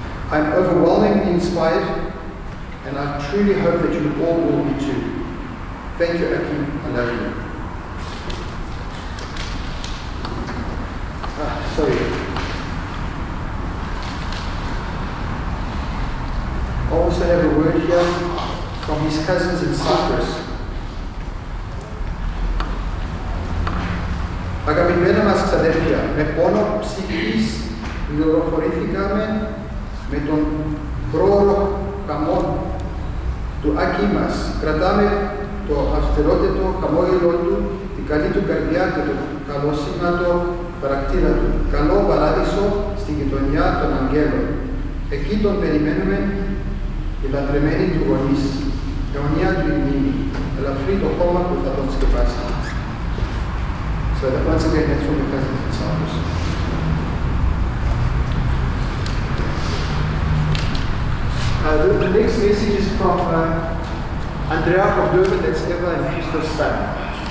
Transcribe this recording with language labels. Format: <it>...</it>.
<en>I'm overwhelmingly inspired, and I truly hope that you all will be too. Thank you, Aki. I love you. Sorry. I also have a word here from his cousins in Cyprus.</en> <el>Αγαπημένα μας ξαδέρφια, με πόνο ψυχής πληροφορήθηκαμε με τον πρόωρο χαμό του Άκη μας. Κρατάμε το αυστηρότερο χαμόγελο του, την καλή του καρδιά και το καλόσυνατο χαρακτήρα του. Καλό παράδεισο στη γειτονιά των Αγγέλων. Εκεί τον περιμένουμε οι λατρεμένοι του γονείς. Αιωνία του η μνήμη, ελαφρύ το χώμα που θα τον σκεπάσει.</el> <en>So that once again, that's from the cousins in Cyprus. The next message is from Andrea from Durban, that's Eva and Christo's son.</en>